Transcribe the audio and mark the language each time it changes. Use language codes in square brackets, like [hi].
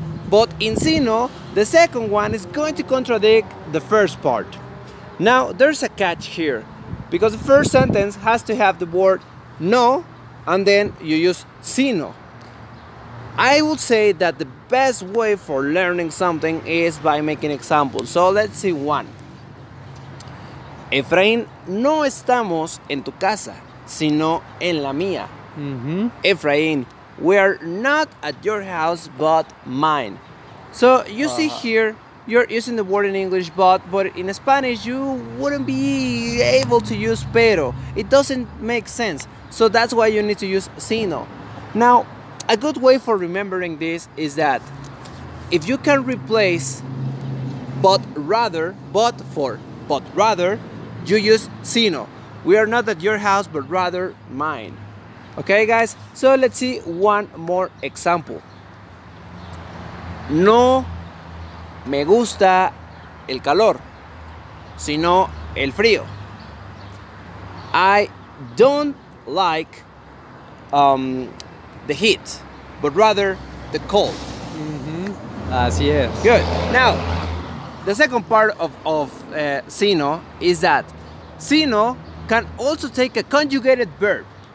[en] But in sino, the second one is going to contradict the first part. Now, there's a catch here. Because the first sentence has to have the word no, and then you use sino. I would say that the best way for learning something is by making examples. So let's see one. [es] Efraín, no estamos en tu casa, sino en la mía. Mm-hmm. [en] Efraín, we are not at your house, but mine. So you see here, you're using the word in English, but in Spanish, you wouldn't be able to use pero. It doesn't make sense. So that's why you need to use sino. Now, a good way for remembering this is that if you can replace but rather, you use sino. We are not at your house, but rather mine. Okay, guys? So let's see one more example. [es] No me gusta el calor, sino el frío. [en] I don't like the heat, but rather the cold. [es] Mm-hmm. Así es. [en] Good. Now, the second part of sino is that sino can also take a conjugated verb.